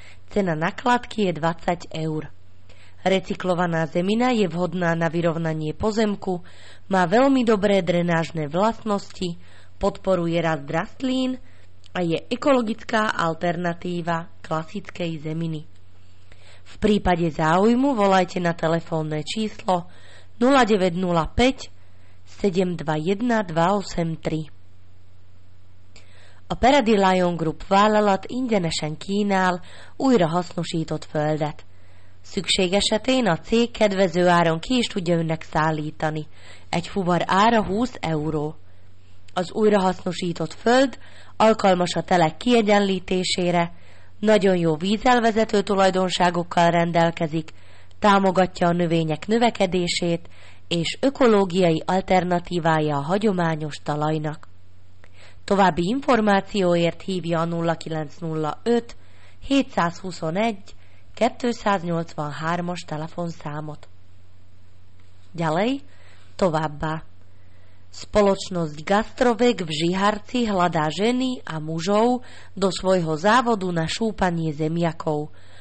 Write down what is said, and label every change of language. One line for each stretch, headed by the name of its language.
Slovak: Cena nakládky je 20 eur. Recyklovaná zemina je vhodná na vyrovnanie pozemku, má veľmi dobré drenážne vlastnosti, podporuje rast rastlín a je ekologická alternatíva klasickej zeminy. V prípade záujmu volajte na telefónne číslo 0905 721 283.
Hungarian: A Peradi Lion Group vállalat ingyenesen kínál újra hasznosított földet. Szükség esetén a cég kedvező áron ki is tudja önnek szállítani. Egy fuvar ára 20 euró. Az újrahasznosított föld alkalmas a telek kiegyenlítésére, nagyon jó vízelvezető tulajdonságokkal rendelkezik, támogatja a növények növekedését, és ökológiai alternatívája a hagyományos talajnak. További információért hívja a 0905 721 283-as telefonszámot. Gyalej, továbbá.
Slovak: Spoločnosť Gastrovek v Žiharci hľadá ženy a mužov do svojho závodu na šúpanie zemiakov.